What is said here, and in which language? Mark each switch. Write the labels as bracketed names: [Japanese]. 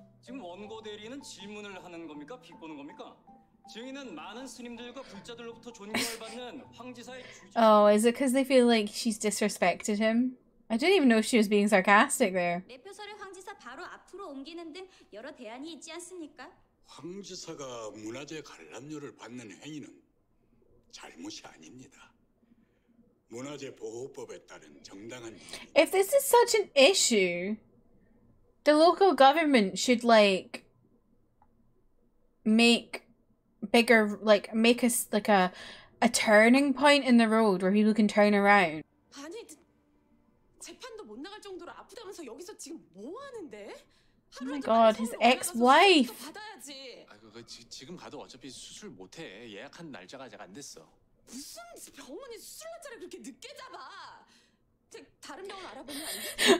[Korean] 지금 원고 대리는 질문을 하는 겁니까? 비꼬는 겁니까? 증인은 많은 스님들과 불자들로부터 존경받는 황지사의 주제... [English] Oh, is it because they feel like she's disrespected him? I didn't even know she was being sarcastic there. [Korean] 매표소를 황지사 바로 앞으로 옮기는 등 여러 대안이 있지 않습니까? 황지사가 문화재 관람료를 받는 행위는 잘못이 아닙니다. 문화재 보호법에 따른 정당한... [English] If this is such an issue, the local government should, like, make... bigger, like, make us like a turning point in the road where people can turn around. [Korean] 아니, 재판도 못 나갈 정도로 아프다면서 여기서 지금 뭐 하는데? [English] Oh my god, his ex-wife. [Korean] 아, 그거 지금 가도 어차피 수술 못 해. 예약한 날짜가 아직 안 됐어. 무슨 병원이 수술날짜를 그렇게 늦게 잡아? 다른 병원 알아보면 안 돼?